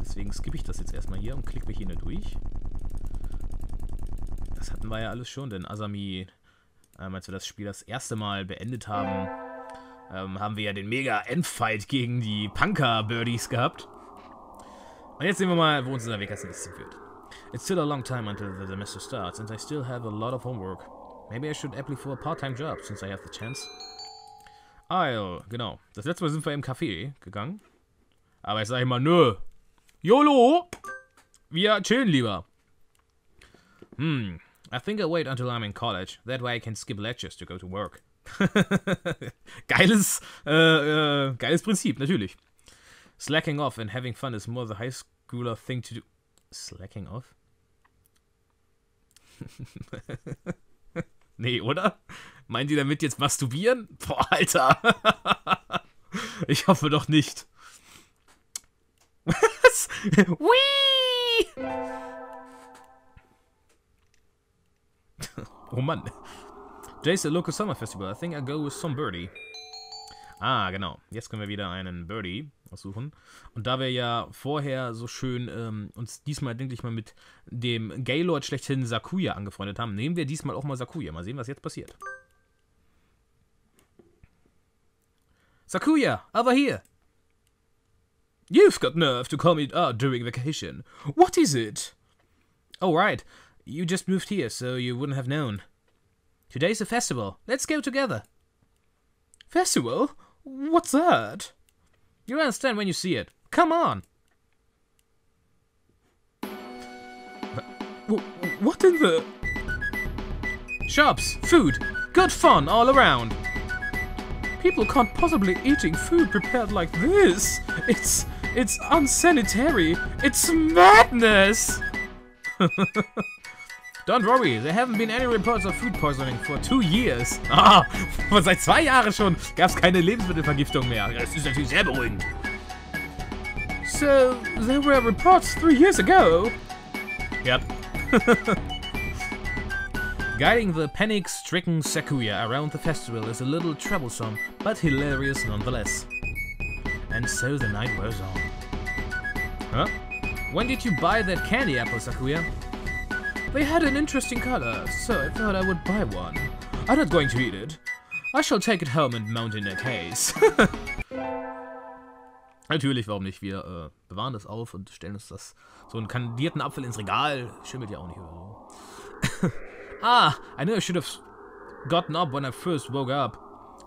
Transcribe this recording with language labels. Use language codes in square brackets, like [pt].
[de] Deswegen skippe ich das jetzt erstmal hier und klicke mich hier nur durch. Das hatten wir ja alles schon, denn Azami, als wir das Spiel das erste Mal beendet haben, haben wir ja den Mega-Endfight gegen die Punker-Birdies gehabt. Und jetzt sehen wir mal, wo uns unser Weg als nächstes führt. [en] It's still a long time until the semester starts, and I still have a lot of homework. Maybe I should apply for a part-time job, since I have the chance. [de] Genau. Das letzte Mal sind wir im Café gegangen. Aber jetzt sag ich mal, nö. YOLO! Wir chillen lieber. [en] I think I'll wait until I'm in college. That way I can skip lectures to go to work. [de] geiles Prinzip, natürlich. [en] Slacking off and having fun is more the high schooler thing to do. Slacking off? [de] Nee, oder? Meinen die damit jetzt masturbieren? Boah, Alter. Ich hoffe doch nicht. Was? Whee! Oh Mann. [en] Today's the local summer festival. I think I'll go with some birdie. [de] Ah, genau. Jetzt können wir wieder einen Birdie aussuchen. Und da wir ja vorher so schön uns diesmal, denke ich mal, mit dem Gaylord schlechthin Sakuya angefreundet haben, nehmen wir diesmal auch mal Sakuya. Mal sehen, was jetzt passiert. [en] Sakuya, over here. You've got nerve to call me during vacation. What is it? Oh, right. You just moved here, so you wouldn't have known. Today's a festival. Let's go together. Festival? What's that? You'll understand when you see it. Come on! What in the... Shops, food, good fun all around. People can't possibly be eating food prepared like this. It's unsanitary. It's madness! Don't worry, there haven't been any reports of food poisoning for 2 years. [de] Ah, seit 2 Jahren schon gab's keine Lebensmittelvergiftung mehr. Das ist natürlich sehr beruhigend. [en] So, there were reports 3 years ago. Yep. Guiding the panic-stricken Sakuya around the festival is a little troublesome, but hilarious nonetheless. And so the night wears on. Huh? When did you buy that candy apple, Sakuya? They had an interesting color, so I thought I would buy one. I'm not going to eat it. I shall take it home and mount in a case. [de] Natürlich, warum nicht? Wir bewahren das auf und stellen uns das so einen kandierten Apfel ins Regal. Schimmelt ja auch nicht oder so. [en] Ah, I knew I should have gotten up when I first woke up.